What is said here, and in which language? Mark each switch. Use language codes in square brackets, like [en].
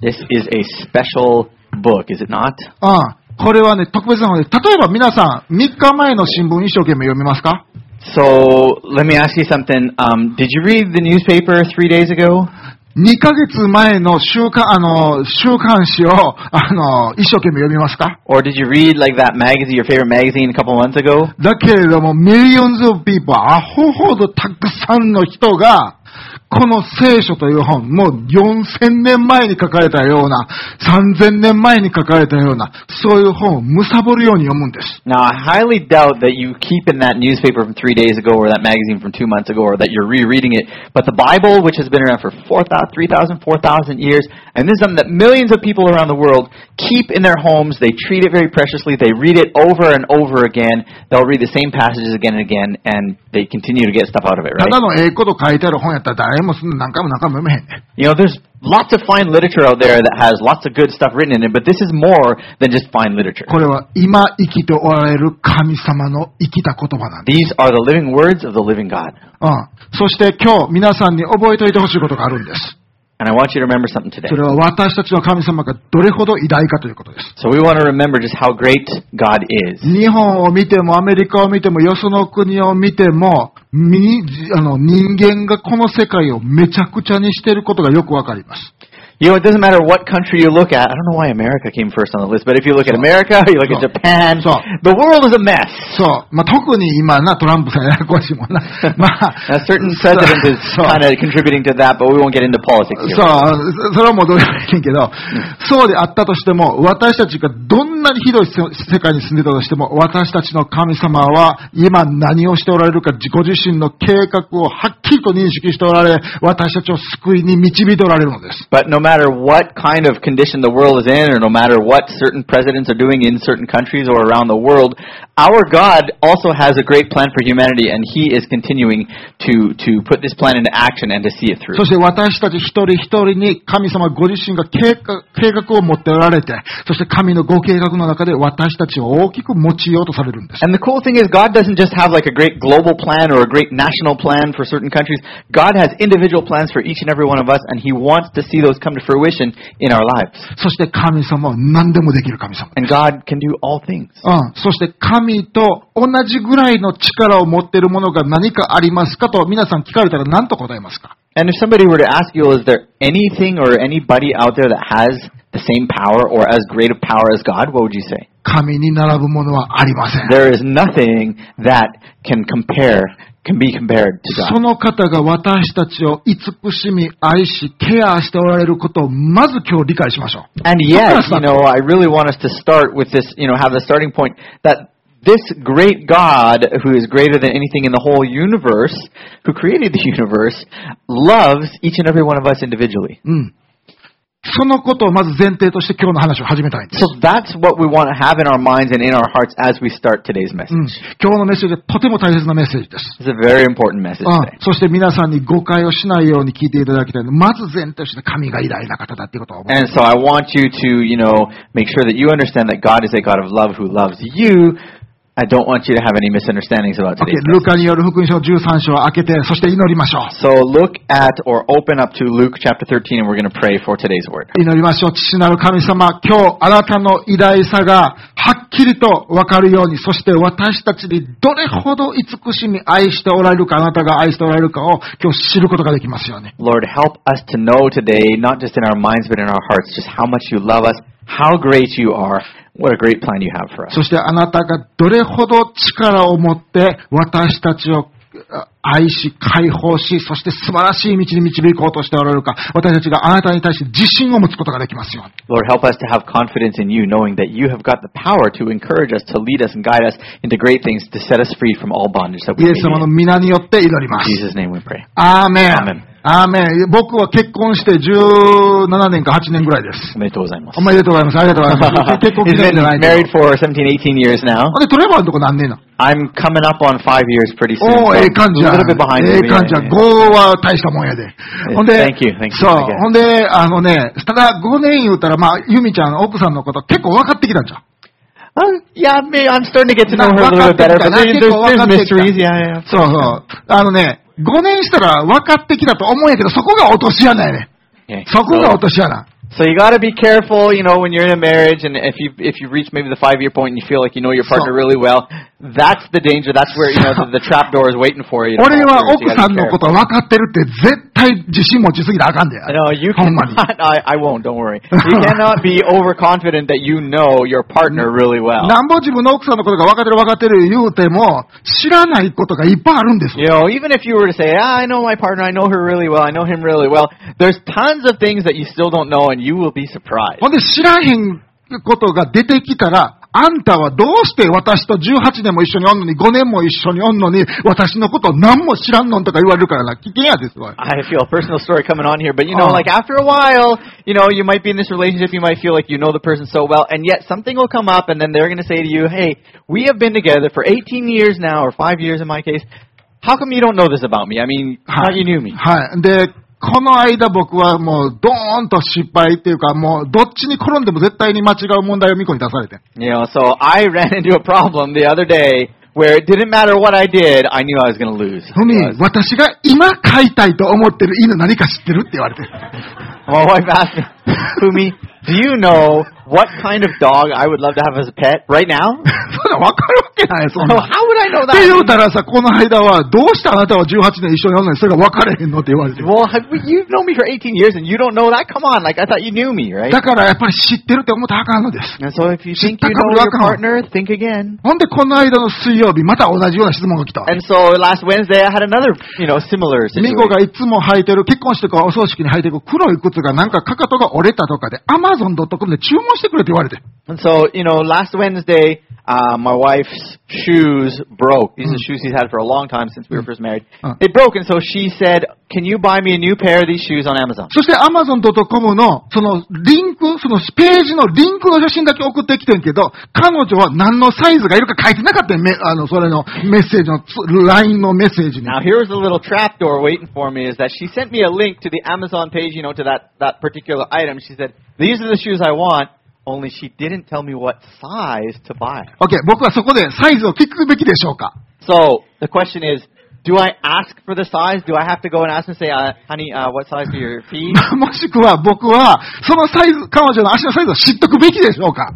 [en] This is a special book, is it not? [ja] ああ、これはね、特別な本です。例えば皆さん、3日前の新聞一生懸命読みますか？ [en] So, let me ask you something. Did you read the newspaper three days ago? [ja] 2ヶ月前の週刊誌を一生懸命読みますか？ [en] Or did you read like that magazine, your favorite magazine a couple months ago? [ja] だけれども、 [en] millions of people, [ja] アホほどたくさんの人がこの聖書という本、もう4000年前に書かれたような、3000年前に書かれたような、そういう本をむさぼるように読むんです。 [en] Now, I highly doubt that you keep in that newspaper from three days ago, or that magazine from two months ago, or that you're rereading it, but the Bible, which has been around for 4,000 years, and this is something that millions of people around the world keep in their homes, they treat it very preciously, they read it over and over again, they'll read the same passages again and again, and they continue to get stuff out of it, right? [ja] ただの英語と書いてある本やったら何回も何回も読めへんね。 [en] You know, there's lots of fine literature out there that has lots of good stuff written in it, but this is more than just fine literature. [ja] これは今生きておられる神様の生きた言葉なんです。 [en] These are the living words of the living God. [ja] そして今日皆さんに覚えておいてほしいことがあるんです。 [en] And I want you to remember something today. [ja] それは私たちの神様がどれほど偉大かということです。 [en] So we want to remember just how great God is. [ja] 日本を見てもアメリカを見てもよその国を見ても人間がこの世界をめちゃくちゃにしていることがよくわかります。 [en] You know, it doesn't matter what country you look at. I don't know why America came first on the list, but if you look at America, you look at Japan, the world is a mess. [ja] そう。まあ、特に今な、トランプさんややこしいもんな。まあ、 [en] a certain president is kind of contributing to that, but we won't get into politics here. [ja] そう。それはもうどうでもいいけど、そうであったとしても、私たちがどんなにひどい世界に住んでたとしても、私たちの神様は今何をしておられるか、自己自身の計画をはっきりと認識しておられ、私たちを救いに導いておられるのです。 [en] But no matter what kind of condition the world is in, or no matter what certain presidents are doing in certain countries or around the world, our God also has a great plan for humanity, and He is continuing to put this plan into action and to see it through. [ja] そして私たち一人一人に神様ご自身が計画を持っておられて、そして神のご計画の中で私たちを大きく用いようとされるんです。 [en] And the cool thing is, God doesn't just have like a great global plan or a great national plan for certain countries. God has individual plans for each and every one of us, and He wants to see those come to fruition in our lives. [ja] そして神様は何でもできる神様。 [en] And God can do all things. [ja] そして神と同じぐらいの力を持っているものが何かありますかと皆さん聞かれたら何と答えますか？ [en] And if somebody were to ask you, is there anything or anybody out there that has the same power or as great a power as God, what would you say? [ja] 神に並ぶものはありません。 [en] There is nothing that can be compared to God. [ja] その方が私たちを慈しみ、愛し、ケアしておられることをまず今日理解しましょう。 [en] And yet, you know, I really want us to start with this, you know, have the starting point that this great God, who is greater than anything in the whole universe, who created the universe, loves each and every one of us individually. [ja] そのことをまず前提として今日の話を始めたいんです。 [en] So that's what we want to have in our minds and in our hearts as we start today's message. [ja] 今日のメッセージはとても大切なメッセージです。 [en] It's a very important message today. [ja] そして皆さんに誤解をしないように聞いていただきたいので、まず前提として神が偉大な方だということを。 [en] And so I want you to, you know, make sure that you understand that God is a God of love who loves you. I don't want you to have any misunderstandings about today. [ja] Okay, ルカによる福音書13章を開けて、そして祈りましょう。 [en] So look at or open up to Luke chapter 13 and we're going to pray for today's word. [ja] 祈りましょう。父なる神様、今日あなたの偉大さがはっきりとわかるように、そして私たちにどれほど慈しみ愛しておられるか、あなたが愛しておられるかを今日知ることができますよね。 [en] Lord, help us to know today, not just in our minds, but in our hearts, just how much you love us, how great you are. What a great plan you have for us. [ja] そしてあなたがどれほど力を持って私たちを愛し解放しそして素晴らしい道に導こうとしておられるか私たちがあなたに対して自信を持つことができますように [en] Lord, help us to have confidence in you knowing that you have got the power to encourage us to lead us and guide us into great things to set us free from all bondage that we need. [ja] イエス様の御名によって祈ります [en] In Jesus' name we pray. Amen. Amen. [ja] アーメン。僕は結婚して17年か8年ぐらいです。おめでとうございます。おめでとうございます。ありがとうございます。結婚記念じゃないの。 [en] Married for 17, 18 years now. [ja] あれ、トレバーのとこ何年の？ [en] I'm coming up on 5 years pretty soon. [ja] おー、ええ感じや。 [en] A little bit behind me. [ja] ええ感じや。語は大したもんやで。ほんで、 [en] Thank you. Thank you. [ja] そう。ほんで、あのね、ただ5年言うたら、まあ、ユミちゃん、奥さんのこと結構分かってきたんじゃん。 [en] Yeah, I'm starting to get to know her a little bit better, but there's mysteries. Yeah, yeah. [ja] そうそう。あのね、5年したら分かってきたと思うんやけど、そこが落とし穴やね。そこが落とし穴。 [en] So you gotta be careful, you know, when you're in a marriage and if you reach maybe the 5-year point and you feel like you know your partner really well, that's the danger, that's where, you know, the trap door is waiting for you. [ja] 俺は奥さんのこと分かってるって絶対自信持ちすぎたらあかんで。 [en] No, you cannot, I won't, don't worry. You cannot be overconfident that you know your partner really well. [ja] なんぼ自分の奥さんのことが分かってる言うても知らないことがいっぱいあるんです。 [en] You know, even if you were to say, ah, I know my partner, I know her really well, I know him really well, there's tons of things that you still don't know. And you will be surprised. [ja] ほんで知らへんことが出てきたら、あんたはどうして私と18年も一緒におんのに、5年も一緒におんのに、私のこと何も知らんのんとか言われるからな、危険やですわ。 [en] I feel a personal story coming on here, but you know, like after a while, you know, you might be in this relationship, you might feel like you know the person so well, and yet something will come up, and then they're going to say to you, hey, we have been together for 18 years now, or 5 years in my case, how come you don't know this about me? I mean, how you knew me? [ja] はい。で、この間僕はもうドーンと失敗っていうかもうどっちに転んでも絶対に間違う問題をミコに出されて。 [en] You know, so I ran into a problem the other day where it didn't matter what I did, I knew I was going to lose. [ja] ふみ、私が今飼いたいと思ってる犬何か知ってるって言われて。 [en] My wife asked me, Fumi, do you know what kind of dog I would love to have as a pet right now? [ja] そんな分かるわけないそんな。 [en] How would I know that? [ja] って言うたらさ、この間はどうしてあなたは18年一緒におんのにそれが分かれへんのって言われて。 [en] Well, you've known me for 18 years and you don't know that? Come on, like, I thought you knew me, right? [ja] だからやっぱり知ってるって思ったらあかんのです。 [en] And so if you think you know your partner, think again. [ja] ほんでこの間の水曜日、また同じような質問が来た。 [en] And so last Wednesday, I had another, you know, similar situation. [ja] ミコがいつも履いてる、結婚式とかお葬式に履いてる黒い靴がなんかかかとが折れたとかで、Amazon.com で注文してくれって言われて。 [en] And so, you know, last Wednesday, my wife's shoes broke. These are shoes she's had for a long time since we were first married. It broke, and so she said, "Can you buy me a new pair of these shoes on Amazon?" [ja] そして Amazon.com のそのリンク、そのページのリンクの写真だけ送ってきてんけど、彼女は何のサイズがいるか書いてなかったね。それのメッセージの LINE のメッセージに。 [en] Now here's a little trap door waiting for me. Is that she sent me a link to the Amazon page, you know, to that particular item? She said, "These are the shoes I want." Only she didn't tell me what size to buy. [ja] Okay, 僕はそこでサイズを聞くべきでしょうか? [en] So, the question is, do I ask for the size? Do I have to go and ask and say, honey, what size are your feet? [ja] もしくは僕はそのサイズ、彼女の足のサイズを知っとくべきでしょうか?